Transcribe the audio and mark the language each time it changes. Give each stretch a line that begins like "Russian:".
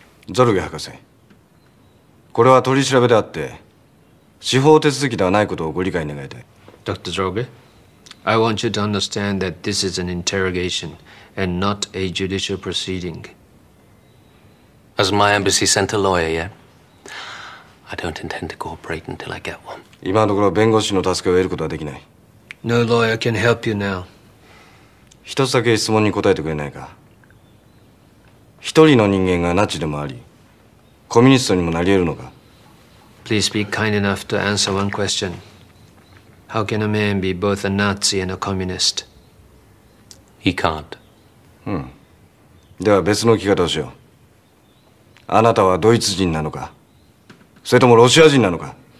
Japanese: ゾルゲ博士、これは取り調べであって司法手続きではないことをご理解願いたい。
English: Dr. Zorge, I want you to understand that this is an interrogation and not a judicial proceeding. As my embassy sent a lawyer, yeah? I don't intend to cooperate until I get one.
Japanese: 今のところ弁護士の助けを得ることはできない。
English: No lawyer can help you now.
Japanese: 一つだけ質問に答えてくれないか。一人の人間がナチでもあり、コミュニストにもなり得るのか。
English: Please be kind enough to answer one question. How can a man be both a Nazi and a communist? He can't.
Japanese: では別の聞き方をしよう。あなたはドイツ人なのか、それともロシア人なのか。